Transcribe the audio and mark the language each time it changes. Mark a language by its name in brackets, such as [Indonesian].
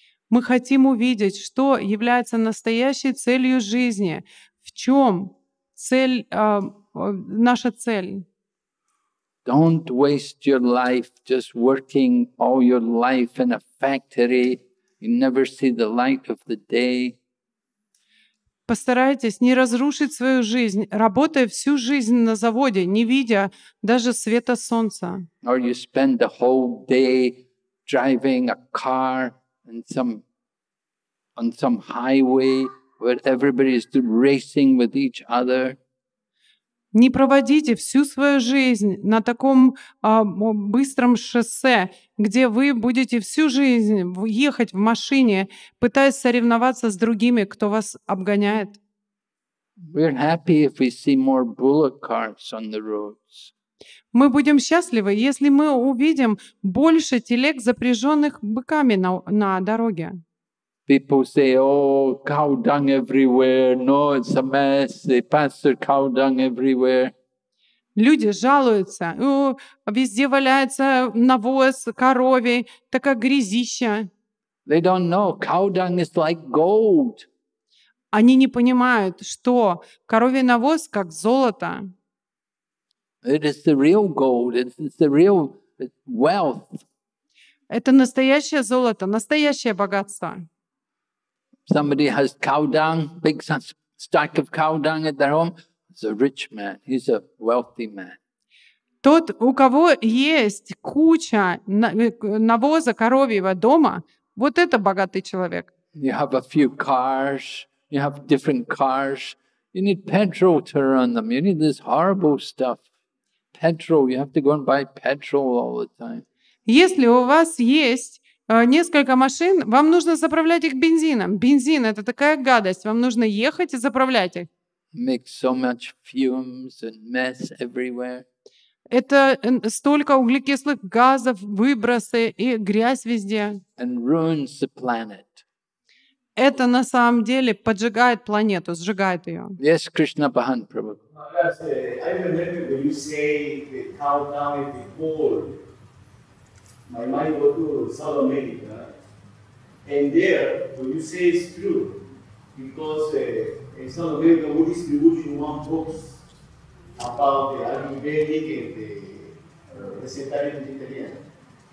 [Russian] Мы хотим увидеть, что является настоящей целью жизни, в чем цель, наша цель. [English] Don't waste your life just working all your life in a factory. You never see the light of the day. [Russian] Постарайтесь не разрушить свою жизнь, работая всю жизнь на заводе, не видя даже света солнца. [English] Or you spend the whole day driving a car on some highway where everybody is racing with each other. [Russian] Не проводите всю свою жизнь на таком быстром шоссе, где вы будете всю жизнь ехать в машине, пытаясь соревноваться с другими, кто вас обгоняет. [English] We're happy if we see more bullet carts on the roads. [Russian] Мы будем счастливы, если мы увидим больше телег, запряженных быками на дороге. [English] People say, oh, cow dung everywhere. No, it's a mess. They pass their cow dung everywhere. [Russian] Люди жалуются. Везде валяется навоз, коровий, такая грязища. [English] They don't know. Cow dung is like gold. [Russian] Они не понимают, что коровий навоз как золото. [English] It is the real gold. It's the real wealth. [Russian] Это настоящее золото, настоящее богатство. [English] Somebody has cow dung, big stack of cow dung at their home. He's a rich man. He's a wealthy man. [Russian] Тот, у кого есть куча навоза коровьего дома, вот это богатый человек. [English] You have a few cars. You have different cars. You need petrol to run them. You need this horrible stuff. Petrol. You have to go and buy petrol all the time. [Russian] Если у вас есть несколько машин, вам нужно заправлять их бензином. Бензин — это такая гадость. Вам нужно ехать и заправлять их. [English] Make so much fumes and mess everywhere. [Russian] Это столько углекислых газов, выбросы и грязь везде. [English] And ruins the planet. [Russian] Это на самом деле поджигает планету, сжигает ее. [English] Yes, Krishna Bhagavan Prabhu. I remember when you say the cow dung is the gold. My mind goes to South America, and there, what you say is true, because in South America, we distribute one book about the Ayurvedic and the Vegetarian Italian.